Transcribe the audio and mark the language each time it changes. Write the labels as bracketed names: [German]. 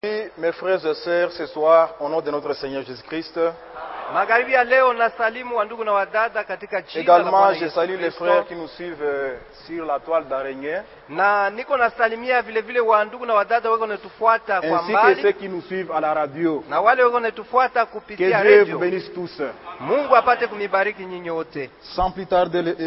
[French] Mes frères et sœurs, ce soir, au nom de notre Seigneur Jésus-Christ, [Swahili] Magharibi ya leo na salimu wa ndugu na wadada katika jina [French] également, je salue les frères qui nous suivent sur la toile d'araignée. [Swahili] Na niko na salimia vile vile wa ndugu na wadada wako natufuata kwa mbali. [French] Ainsi que ceux qui nous suivent à la radio. [Swahili] Na wale wako natufuata kupitia radio. [French] Que Dieu vous bénisse tous. [Swahili] Mungu apate kumibariki nyinyi wote. [French] Sans plus tarder,